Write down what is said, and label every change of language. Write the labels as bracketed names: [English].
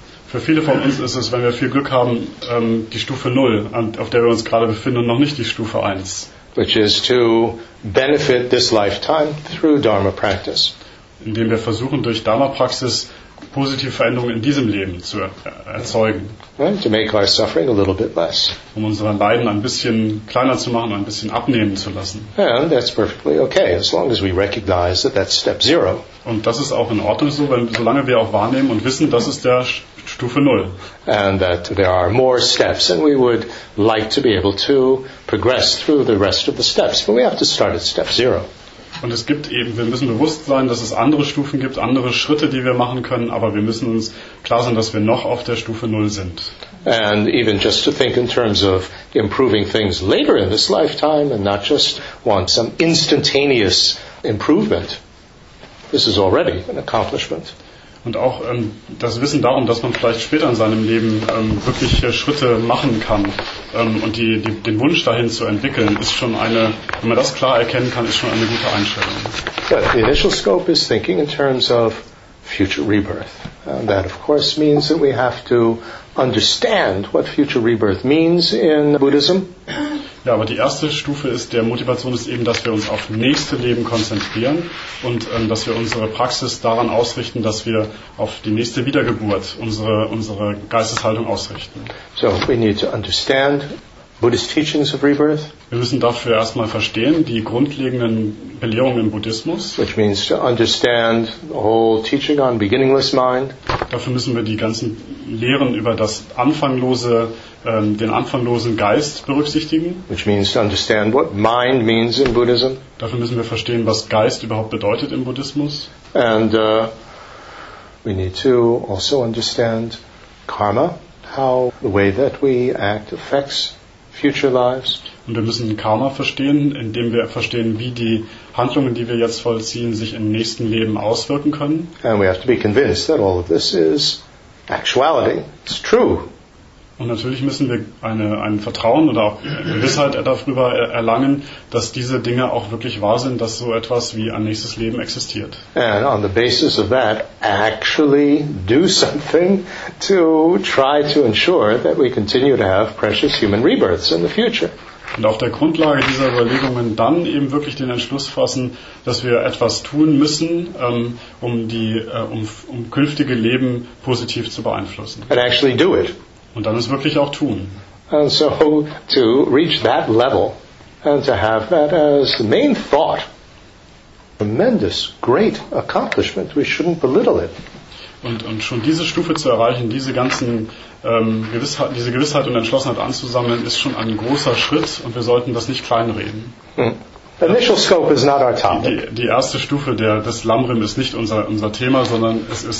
[German] Für viele von uns ist es, wenn wir viel Glück haben, die Stufe 0, auf der wir uns gerade befinden, noch nicht die Stufe 1. [English] Which is to benefit this lifetime through Dharma practice. [German] Indem wir versuchen, durch Dharma-Praxis positive Veränderungen in diesem Leben zu erzeugen. [English] Right, to make our suffering a little bit less. [German] Um unseren Leiden ein bisschen kleiner zu machen, ein bisschen abnehmen zu lassen. [English] And that's perfectly okay, as long as we recognize that that's step zero. [German] Und das ist auch in Ordnung so, wenn, solange wir auch wahrnehmen und wissen, das ist der Stufe Null. [English] And that there are more steps, and we would like to be able to progress through the rest of the steps, but we have to start at step zero. [German] Und es gibt eben, wir müssen bewusst sein, dass es andere Stufen gibt, andere Schritte, die wir machen können, aber wir müssen uns klar sein, dass wir noch auf der Stufe Null sind. [English] And even just to think in terms of improving things later in this lifetime and not just want some instantaneous improvement, this is already an accomplishment. [German] Und auch das Wissen darum, dass man vielleicht später in seinem Leben wirklich Schritte machen kann und den Wunsch dahin zu entwickeln, ist schon eine, wenn man das klar erkennen kann, ist schon eine gute Einstellung. [English] But the initial scope is thinking in terms of future rebirth. And that of course means that we have to understand what future rebirth means in Buddhism. [German] Ja, aber die erste Stufe ist der Motivation ist eben, dass wir uns auf nächste Leben konzentrieren und dass wir unsere Praxis daran ausrichten, dass wir auf die nächste Wiedergeburt unsere Geisteshaltung ausrichten. [English] So, we need to understand Buddhist teachings of rebirth. [German] Wir müssen dafür erstmal verstehen die grundlegenden Belehrungen im Buddhismus. [English] Which means to understand the whole teaching on beginningless mind. [German] Dafür müssen wir die ganzen Lehren über das anfanglose den anfanglosen Geist berücksichtigen. [English] Which means to understand what mind means in Buddhism. [German] Dafür müssen wir verstehen, was Geist überhaupt bedeutet im Buddhismus. [English] And we need to also understand karma, how the way that we act affects future lives. [German] Und wir müssen Karma verstehen, indem wir verstehen, wie die Handlungen, die wir jetzt vollziehen, sich im nächsten Leben auswirken können. [English] And we have to be convinced that all of this is actuality. It's true. [German] Und natürlich müssen wir ein Vertrauen oder auch Gewissheit darüber erlangen, dass diese Dinge auch wirklich wahr sind, dass so etwas wie ein nächstes Leben existiert. [English] And on the basis of that, actually do something to try to ensure that we continue to have precious human rebirths in the future. [German] Und auf der Grundlage dieser Überlegungen dann eben wirklich den Entschluss fassen, dass wir etwas tun müssen, um künftige Leben positiv zu beeinflussen. [English] And actually do it. [German] Und dann es wirklich auch tun. [English] And so to reach that level and to have that as the main thought, tremendous, great accomplishment. We shouldn't belittle it. [German] Und schon diese Stufe zu erreichen, diese ganzen Gewissheit und Entschlossenheit anzusammeln, ist schon ein großer Schritt und wir sollten das nicht kleinreden. [English] The initial scope is not our topic. [German] Die erste Stufe des Lamrim ist nicht unser Thema, sondern es ist